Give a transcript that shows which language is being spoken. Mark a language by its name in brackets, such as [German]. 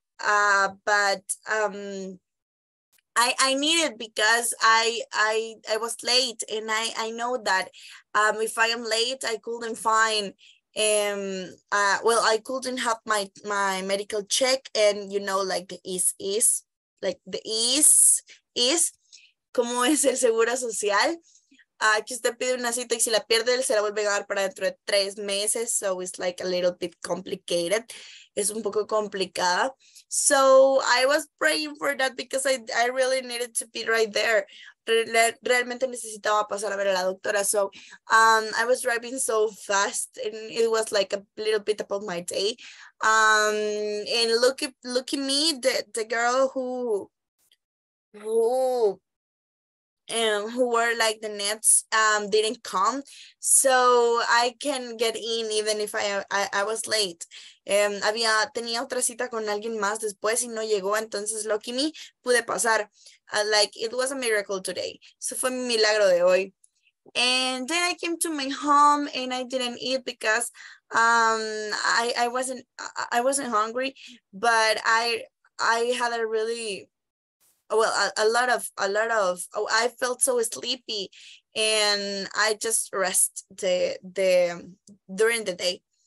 [English] I need it because I was late and I know that if I am late, I couldn't find, I couldn't have my medical check and you know, like the ISSS, [Spanish] como es el seguro social, que usted pide una cita y si la pierde, se la vuelve a dar para dentro de 3 meses. [English] So it's like a little bit complicated. [Spanish] Es un poco complicada. [English] So I was praying for that because I really needed to be right there. [Spanish] Realmente necesitaba pasar a ver a la doctora. [English] So I was driving so fast and it was like a little bit about my day. And look at me, the girl who were like the nets didn't come, so I can get in even if I was late. [Spanish] Tenía otra cita con alguien más después y no llegó, entonces [English] lucky me, [Spanish] pude pasar. [English] Like it was a miracle today. So [Spanish] fue mi milagro de hoy. [English] And then I came to my home and I didn't eat because I wasn't hungry, but I had a really, well, a lot of, oh, I felt so sleepy and I just rest the during the day.